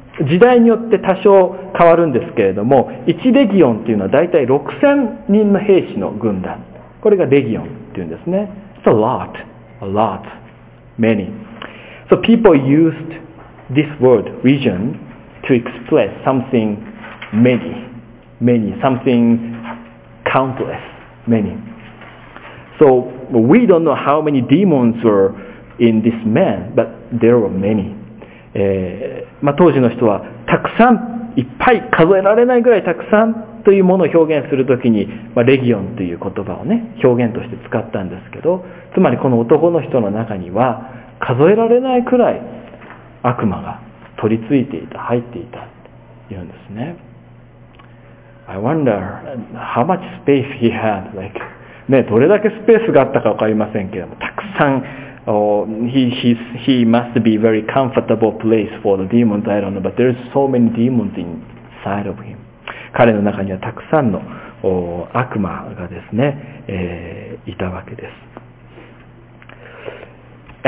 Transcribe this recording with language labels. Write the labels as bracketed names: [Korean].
[Japanese] 時代によって多少変わるんですけれども、1レギオンというのはだいたい6000人の兵士の軍団。これがレギオンというんですね。 [English] It's a lot, a lot, many. So people used this word, region, to express something many, many, something countless, many. So we don't know how many demons were in this man, but there were many. [Japanese] まあ、当時の人はたくさんいっぱい数えられないぐらいたくさんというものを表現するときに、まあ、レギオンという言葉をね表現として使ったんですけど、つまりこの男の人の中には数えられないくらい悪魔が取り付いていた、入っていたというんですね。 [English] I wonder how much space he had、like, [Japanese] ね、どれだけスペースがあったか分かりませんけども、たくさん [English] He must be a very comfortable place for the demons, I don't know, but there are so many demons inside of him. [Japanese] 彼の中にはたくさんの悪魔がですね、いたわけです。